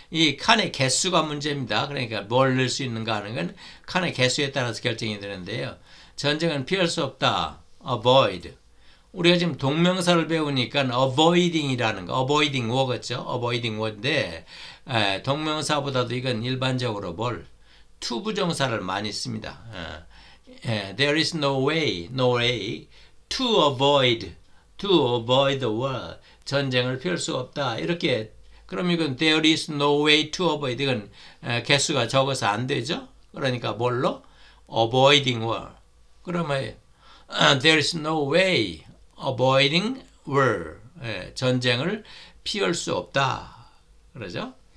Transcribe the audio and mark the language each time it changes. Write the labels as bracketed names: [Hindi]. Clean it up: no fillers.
[Korean] 이 칸의 개수가 문제입니다. 그러니까 뭘 넣을 수 있는가 하는 건 칸의 개수에 따라서 결정이 되는데요. 전쟁은 피할 수 없다. Avoid. 우리가 지금 동명사를 배우니까 avoiding이라는 거, avoiding word죠. Avoiding word인데 동명사보다도 이건 일반적으로 뭘? 투부정사를 많이 씁니다. [English] There is no way to avoid the war. [Korean] 전쟁을 피할 수 없다. 이렇게 그럼 이건 [English] there is no way to avoid. [Korean] 이건 개수가 적어서 안 되죠. 그러니까 뭘로? [English] Avoiding war. [Korean] 그러면 [English] there is no way. Avoiding war. [Korean] 예, 전쟁을 피할 수 없다. 그러죠?